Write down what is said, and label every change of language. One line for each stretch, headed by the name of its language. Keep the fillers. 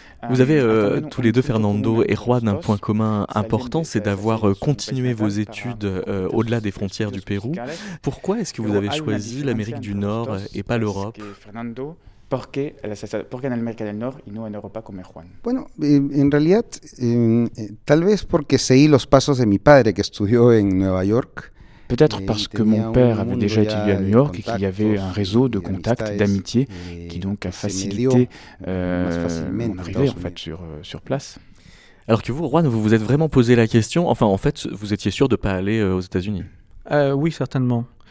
French: Vous avez euh, tous les deux, Fernando et Juan, un point commun important, c'est d'avoir euh, continué vos études euh, au-delà des frontières du Pérou. Pourquoi est-ce que vous avez choisi l'Amérique du Nord et pas l'Europe pourquoi en Allemagne, del Nord et en Europe comme Juan?
Spanish: Bueno, en realidad, eh, tal vez porque seguí los pasos de mi padre que estudió en Nueva York.
French: Peut-être parce que mon père avait déjà étudié à New York et qu'il y avait un réseau de contacts, d'amitiés, qui donc a facilité mon euh, arrivée en fait, sur, sur, place. Alors que vous, Juan, vous vous êtes vraiment posé la question, enfin en fait, vous étiez sûr de ne pas aller aux États-Unis euh, Oui, certainement.